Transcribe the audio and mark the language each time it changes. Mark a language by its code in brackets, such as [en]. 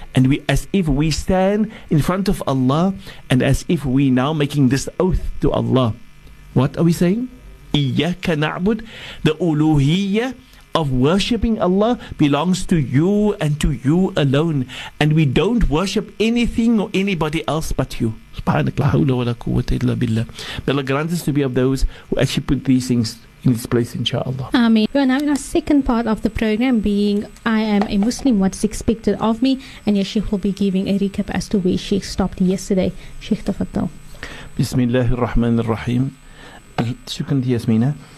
[en] And we, as if we stand in front of Allah, and as if we now making this oath to Allah. What are we saying? [ar] إِيَّاكَ نَعْبُدْ. [en] The uluhiyya of worshipping Allah belongs to you and to you alone. And we don't worship anything or anybody else but you. [ar] سبحانك لا حول ولا قوة إلا بالله. [en] May Allah grant us to be of those who actually put these things in this place, inshallah. Ameen. We are now in our second part of the program, being I am a Muslim, what is expected of me, and your Sheikh will be giving a recap as to where Sheikh stopped yesterday. Sheikh Tafatul. Bismillahir Rahmanir Rahim. Shukran Yasmina.